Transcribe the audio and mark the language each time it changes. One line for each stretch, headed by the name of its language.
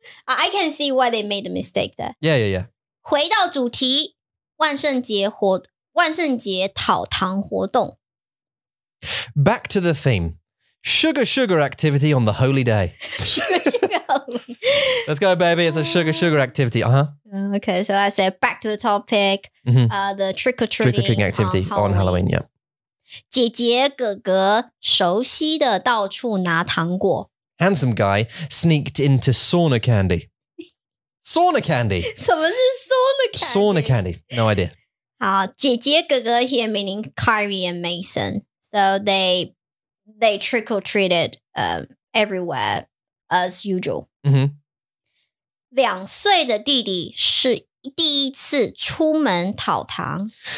English: I can see why they made the mistake there. Yeah.
Chinese: 回到主题，万圣节讨糖活动。
English: Back to the theme. Sugar activity on the holy day. Sugar, let's go, baby. It's a sugar activity. Uh-huh. Okay, so I said back to the topic. Mm-hmm. The trick-or-treating activity on Halloween. Yeah.
Chinese: 姐姐哥哥熟悉的到处拿糖果。
English: Handsome guy sneaked into sauna candy. Sauna candy.
Chinese: 什么是 sauna candy?
English: Sauna candy. No idea.
Chinese: 好，姐姐哥哥
English: here meaning Kyrie and Mason. So they trick-or-treated everywhere as usual. Mm-hmm.
Chinese: 两岁的弟弟是第一次出门讨糖。